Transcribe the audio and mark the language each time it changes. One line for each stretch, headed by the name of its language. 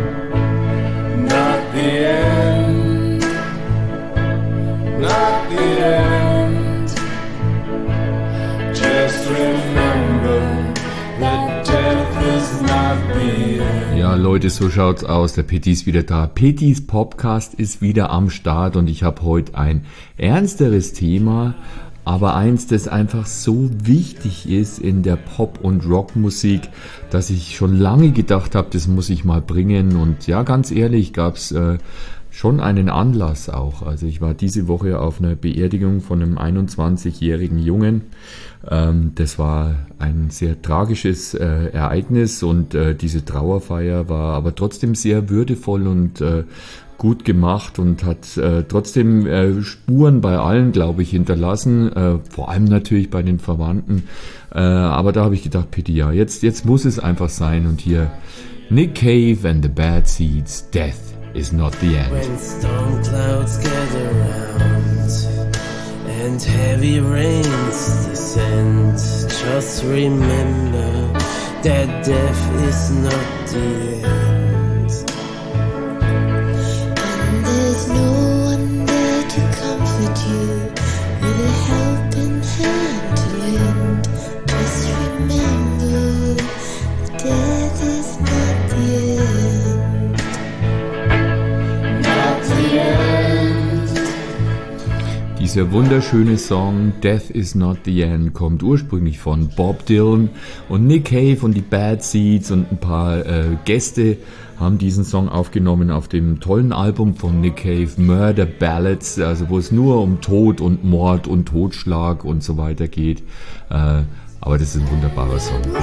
English: Not the end. Not the end. Just remember that death is not the end.
German: Ja, Leute, so schaut's aus. Der Pitti ist wieder da. Pittis Podcast ist wieder am Start und ich habe heute ein ernsteres Thema, aber eins, das einfach so wichtig ist in der Pop- und Rockmusik, dass ich schon lange gedacht habe, das muss ich mal bringen. Und ja, ganz ehrlich, gab's schon einen Anlass auch. Also ich war diese Woche auf einer Beerdigung von einem 21-jährigen Jungen. Das war ein sehr tragisches Ereignis und diese Trauerfeier war aber trotzdem sehr würdevoll und gut gemacht und hat trotzdem Spuren bei allen, glaube ich, hinterlassen, vor allem natürlich bei den Verwandten. Aber da habe ich gedacht, Pitti, ja, jetzt muss es einfach sein. Und hier Nick Cave and the Bad Seeds, Death is not the end.
English: When storm clouds gather round and heavy rains descend, just remember that death is not the end. And there's no one there to comfort you with a helping hand to lend. Just remember that death is not the end. Not the end.
German: Dieser wunderschöne Song Death is not the end kommt ursprünglich von Bob Dylan und Nick Cave und die Bad Seeds und ein paar Gäste haben diesen Song aufgenommen auf dem tollen Album von Nick Cave Murder Ballads, also wo es nur um Tod und Mord und Totschlag und so weiter geht, aber das ist ein wunderbarer Song.